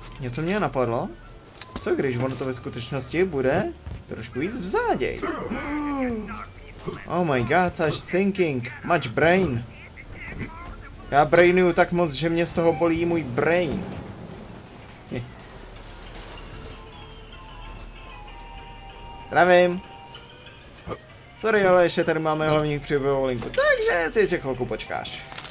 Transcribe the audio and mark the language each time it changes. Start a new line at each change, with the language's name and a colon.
Czech: Co mě napadlo? Co když ono to ve skutečnosti bude trošku víc vzádějt?
English: Oh my god, such thinking, much brain.
Czech: Já brainuju tak moc, že mě z toho bolí můj brain. Zdravím. Sorry, ale ještě tady máme hlavní příběhovou linku, takže si ještě chvilku počkáš.